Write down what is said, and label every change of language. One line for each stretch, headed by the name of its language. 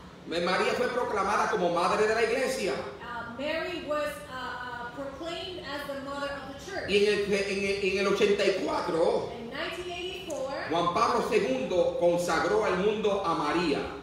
Spanish: María fue proclamada como madre de la Iglesia.
English: Mary was proclaimed as the mother of the church.
Spanish: Y en el 84,
English: in 1984,
Spanish: Juan Pablo II consagró al mundo a María.